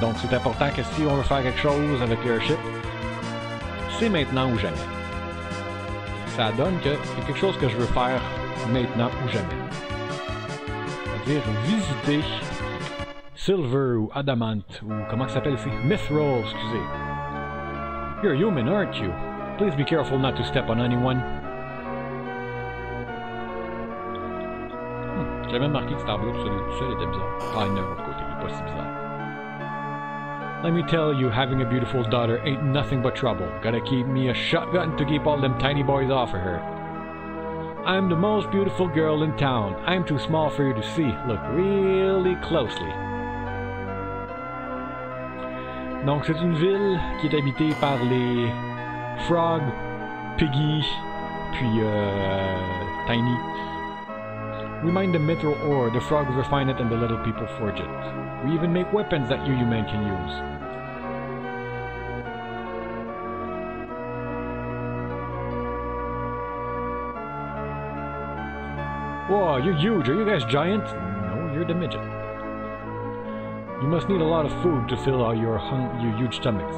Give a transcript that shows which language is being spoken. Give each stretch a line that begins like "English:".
French: Donc, c'est important que si on veut faire quelque chose avec l'airship, c'est maintenant ou jamais. Ça donne que c'est quelque chose que je veux faire maintenant ou jamais. C'est-à-dire visiter Silver ou Adamant, ou comment ça s'appelle ici?
English: Mithril, excusez. You're human, aren't you? Please be careful not to step on anyone.
French: J'ai même marqué que c'était en bleu, tout seul était bizarre. Ah, non, de côté, il est pas si bizarre.
English: Let me tell you, having a beautiful daughter ain't nothing but trouble. Gotta keep me a shotgun to keep all them tiny boys off of her. I'm the most beautiful girl in town. I'm too small for you to see. Look really closely.
French: Donc, c'est une ville qui est habitée par les Frog, Piggy, puis Tiny.
English: We mine the mithril ore, the frogs refine it and the little people forge it. We even make weapons that you human can use. Whoa, you're huge! Are you guys giant? No, you're the midget. You must need a lot of food to fill all your huge stomachs.